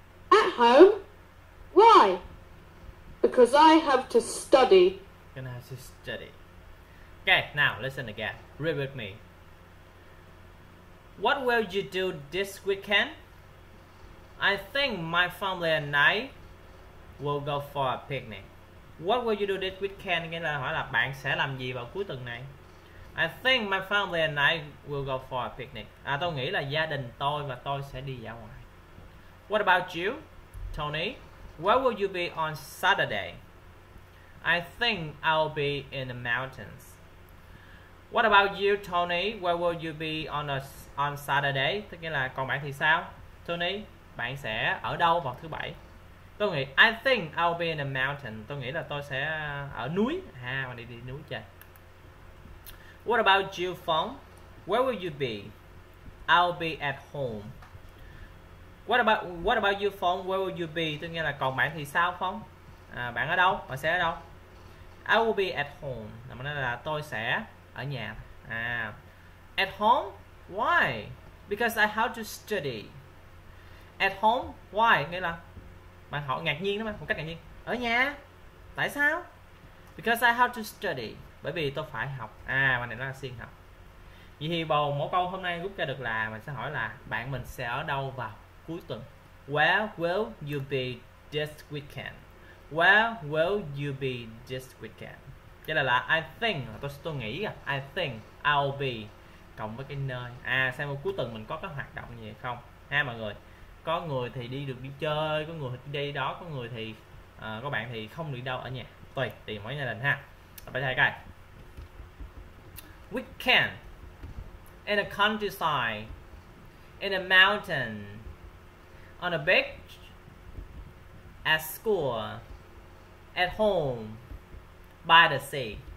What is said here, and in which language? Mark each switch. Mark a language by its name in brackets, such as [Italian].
[English] At home? Why? Because I have to study. Gonna have to study. Okay, now listen again. Read with me. What will you do this weekend? I think my family and I will go for a picnic. What will you do this weekend? [Vietnamese] Nghĩa là hỏi là bạn sẽ làm gì vào cuối tuần này? [English] I think my family and I will go for a picnic. [Vietnamese] À, tôi nghĩ là gia đình tôi và tôi sẽ đi ra ngoài. [English] What about you, Tony? Where will you be on Saturday? I think I'll be in the mountains. What about you, Tony? Where will you be on Saturday? [Vietnamese] Tức nghĩa là còn bạn thì sao? Tony, bạn sẽ ở đâu vào thứ bảy? Tôi nghĩ [English] I think I'll be in the mountain. [Vietnamese] Tôi nghĩ là tôi sẽ ở núi. À, mình đi đi núi chơi. [English] What about you, Phong? Where will you be? I'll be at home. What about you, Phong? Where will you be? [Vietnamese] Tôi nghĩa là còn bạn thì sao, Phong? À, bạn ở đâu? Bạn sẽ ở đâu? [English] I will be at home. [Vietnamese] Nó nói là tôi sẽ ở nhà. À, [English] at home? Why? Because I have to study. At home? Why? [Vietnamese] Nghĩa là bạn hỏi ngạc nhiên đó mà, một cách ngạc nhiên. Ở nhà? Tại sao? [English] Because I have to study. [Vietnamese] Bởi vì tôi phải học. À, bạn này nó là siêng học. Vậy thì bầu mỗi câu hôm nay rút ra được là mình sẽ hỏi là bạn mình sẽ ở đâu vào cuối tuần? [English] Where will you be this weekend? Where will you be this weekend? [Vietnamese] Cái là [English] I think, [Vietnamese] tôi nghĩ [English] I think I'll be [Vietnamese] cộng với cái nơi. À xem một cuối tuần mình có cái hoạt động gì không ha mọi người. Có người thì đi được đi chơi, có người thì đi đó, có người thì có bạn thì không đi đâu ở nhà, tùy tùy mỗi gia đình ha. Bây giờ coi [English] weekend in the countryside, in a mountain, on a beach, at school, at home, by the sea.